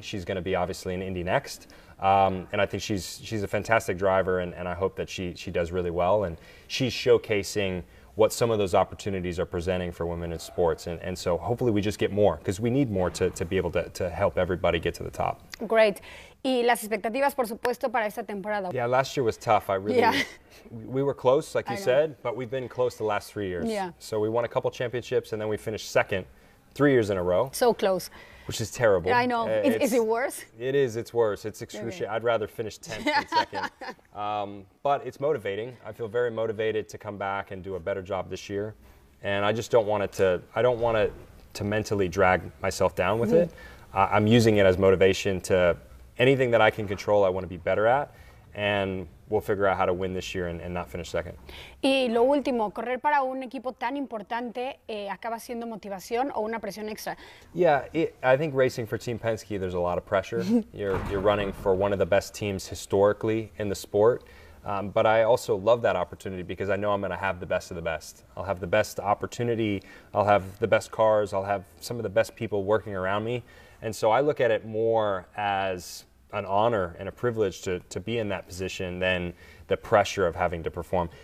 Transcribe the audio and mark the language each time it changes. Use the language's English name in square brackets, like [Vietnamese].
[English] She's going to be obviously in Indy next. And I think she's a fantastic driver, and I hope that she does really well. And she's showcasing what some of those opportunities are presenting for women in sports. And so hopefully we just get more, because we need more to be able to help everybody get to the top. Great. [Spanish] Y las expectativas, por supuesto, para esta temporada. [English] Yeah, last year was tough. We were close, like you said, but we've been close the last 3 years. Yeah. So we won a couple championships, and then we finished second 3 years in a row. So close. Which is terrible. Yeah, I know. Is it worse? It is. It's worse. It's excruciating. Okay. I'd rather finish 10th than second. But it's motivating. I feel very motivated to come back and do a better job this year. And I just don't want it to, I don't want it to mentally drag myself down with it. I'm using it as motivation to anything that I can control, I want to be better at. And we'll figure out how to win this year and not finish second. [Spanish] Y lo último, correr para un equipo tan importante acaba siendo motivación o una presión extra. [English] Yeah, I think racing for Team Penske, there's a lot of pressure. You're running for one of the best teams historically in the sport. But I also love that opportunity because I know I'm going to have the best of the best. I'll have the best opportunity. I'll have the best cars. I'll have some of the best people working around me. And so I look at it more as an honor and a privilege to be in that position than the pressure of having to perform.